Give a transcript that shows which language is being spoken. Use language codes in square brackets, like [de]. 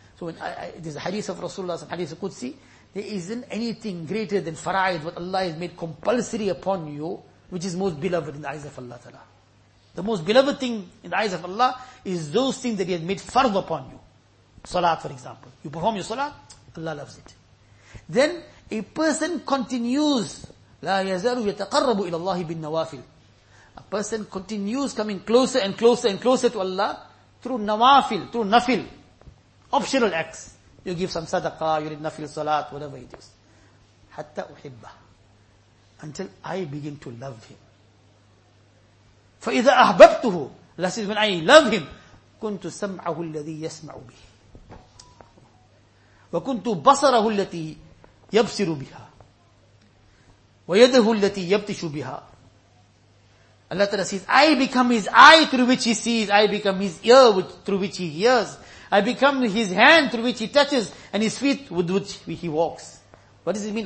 [en] So when it is a hadith of Rasulullah, some hadith of Qudsi, there isn't anything greater than fara'id, what Allah has made compulsory upon you, which is most beloved in the eyes of Allah Ta'ala. The most beloved thing in the eyes of Allah is those things that He has made fard upon you. Salat, for example. You perform your salat, Allah loves it. Then a person continues, [ar] لا يزال يتقرب إلى الله بالنوافل. [en] A person continues coming closer and closer and closer to Allah through nawafil, through nafil. Optional acts. You give some sadaqah, you read nafil salat, whatever it is. [ar] Hatta uhibba. [en] Until I begin to love him. [ar] فَإِذَا أَحْبَبْتُهُ [en] Allah says, when I love him, [ar] كُنْتُ سَمْعَهُ الَّذِي يَسْمَعُ بِهِ وَكُنْتُ بَصَرَهُ الَّتِي يَبْصِرُ بِهَا وَيَدَهُ الَّتِي يَبْتِشُ بِهَا [en] Allah Ta'ala says, I become his eye through which he sees, I become his ear through which he hears, I become his hand through which he touches, and his feet with which he walks. What does it mean?